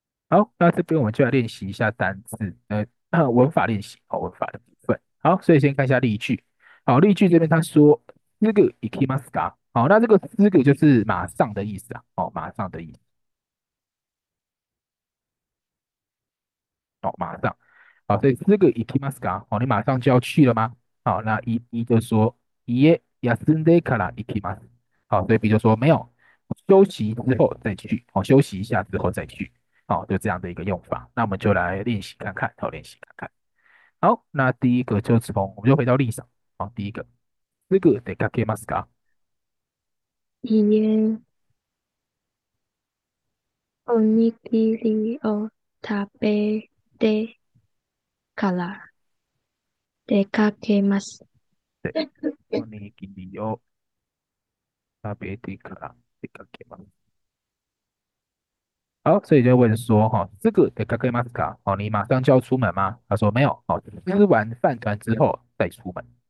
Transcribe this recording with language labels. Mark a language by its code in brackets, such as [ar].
[zh] 好，那这边我们就来练习一下单字，文法练习，好，文法的部分，好，所以先看一下例句，好，例句这边他说， [ja] すぐ行きますか， [zh] 好，那这个すぐ就是马上的意思啊，哦，马上的意思。哦，马上，好，所以这个 [ja] 行きますか？ [zh] 哦，你马上就要去了吗？好，那一就说 [ja] いえ、休んでから行きます。 [zh] 好，所以 B 就说没有，休息之后再去。好，休息一下之后再去。好，就这样的一个用法。那我们就来练习看看，好，练习看看。好，那第一个就从我们就回到例上。好，第一个，这个 [ja] でかけますか？いいね。おにぎりを食べてから出かけます。おにぎりを食べてから出かけます。 [zh] 好，所以就问说，哈，这个 [ja] 得かけますか？ [zh] 哦，你马上就要出门吗？他说没有，哦，吃完饭团之后再出门。